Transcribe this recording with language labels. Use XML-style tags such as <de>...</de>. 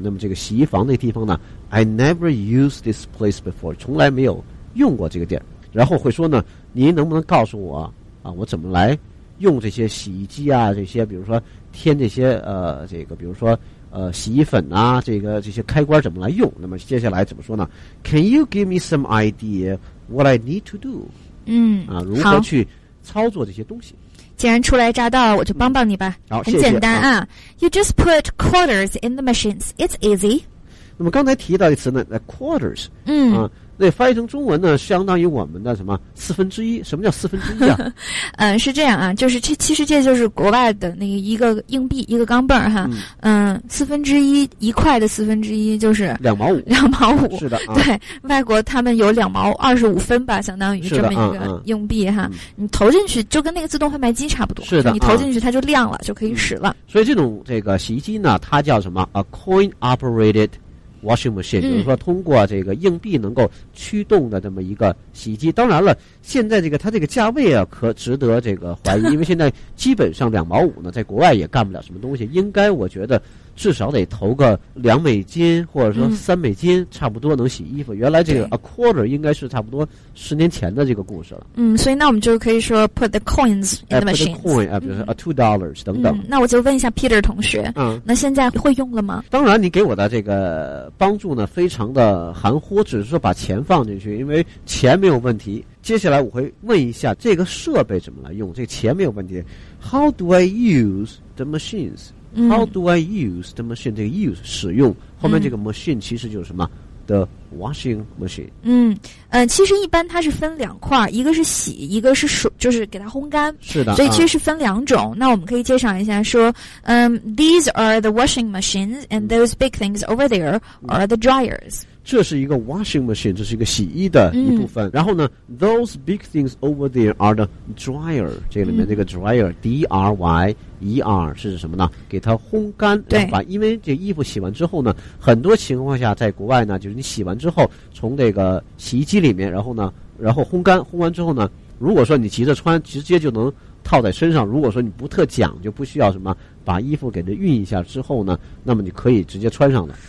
<zh>那么这个洗衣房那地方呢 ？</zh> <en>I never used this place before，</en> <zh>从来没有用过这个地儿。然后会说呢，您能不能告诉我啊，我怎么来用这些洗衣机啊？这些比如说添这些这个比如说。洗衣粉啊，这个这些开关怎么来用？那么接下来怎么说呢 ？</zh> <en>Can you give me some idea what I need to do？嗯，</en> <zh>啊，如何去操作这些东西？既然初来乍到，我就帮帮你吧。嗯、好，很简单啊。</zh> <en>You just put quarters in the machines. It's easy.</en> <zh>那么刚才提到一词呢 ，quarters。嗯。啊，那翻译成中文呢，相当于我们的什么四分之一？什么叫四分之一啊？嗯，是这样啊，就是其实这就是国外的那个一个硬币，一个钢镚儿哈。嗯，四分之一，一块的四分之一就是两毛五。两毛五是的、啊，对，外国他们有两毛二十五分吧，相当于这么一个硬币哈。嗯、你投进去就跟那个自动贩卖机差不多，是的，你投进去、啊、它就亮了，就可以使了。所以这种这个洗衣机呢，它叫什么 ？</zh> <en>A coin operated。 washing machine，、嗯、</en> <zh>比如说通过这个硬币能够驱动的这么一个洗衣机。当然了，现在这个它这个价位啊，可值得这个怀疑，因为现在基本上两毛五呢，在国外也干不了什么东西。应该我觉得至少得投个$2或者说$3、嗯、差不多能洗衣服。原来这个 a quarter 应该是差不多10年前的这个故事了。嗯，所以那我们就可以说</zh> <en>put the coins in the machine. Put the coin,</en> <zh>比如说</zh> <en>$2 等等、嗯。</en> <zh>那我就问一下 Peter 同学，嗯，那现在会用了吗？当然，你给我的这个帮助呢，非常的含糊，只是说把钱放进去，因为钱没有问题。接下来我会问一下这个设备怎么来用，这个钱没有问题。</zh> <en>How do I use the machines? How do I use the machine?</en> <zh>这个 use 使用后面这个 machine 其实就是什么、嗯、</zh> <en>the washing machine。</en> <zh>嗯嗯、其实一般它是分两块，一个是洗，一个是水，就是给它烘干。是的，所以其实是分两种、啊、</zh> <en>那我们可以介绍一下说、These are the washing machines and those big things over there are the dryers、</en> <zh>嗯、这是一个 washing machine， 这是一个洗衣的一部分、嗯、然后呢</zh> <en>those big things over there are the dryer，</en> <zh>这里面这个</zh> <en>dryer、嗯、</en> <zh>D-R-Y E-R 是什么呢？给它烘干，对吧？因为这衣服洗完之后呢，很多情况下在国外呢，就是你洗完之后从这个洗衣机里面，然后呢，然后烘干，烘完之后呢，如果说你急着穿，直接就能套在身上。如果说你不特讲，就不需要什么把衣服给它熨一下之后呢，那么你可以直接穿上的。</zh>